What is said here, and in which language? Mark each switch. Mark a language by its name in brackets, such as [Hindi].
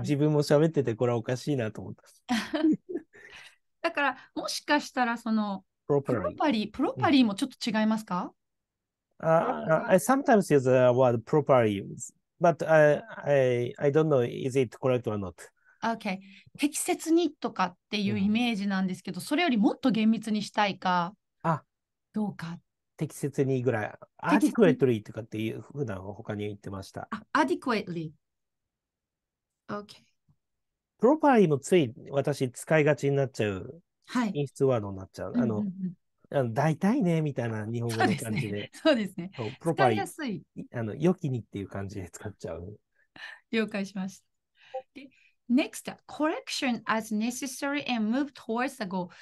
[Japanese] 自分も喋ってて、これはおかしいなと思った。だから、もしかしたら、その、プロパリーもちょっと違いますか、 [English] I sometimes use the word properly, but I don't know is it correct or not. Okay. [Japanese] 適切にとかっていうイメージなんですけど、それよりもっと厳密にしたいか、どうか。適切にぐらい、アディクエトリーとかっていう普段他に言ってました。アディクエトリー。OK。プロパリーもつい私使いがちになっちゃう、はい。品質ワードになっちゃう。だいたいねみたいな日本語の感じで。そうですね。そうですね。プロパリー、使いやすい。良きにっていう感じで使っちゃう。了解しました。 [English] で、Next, correction as necessary and move towards the goal.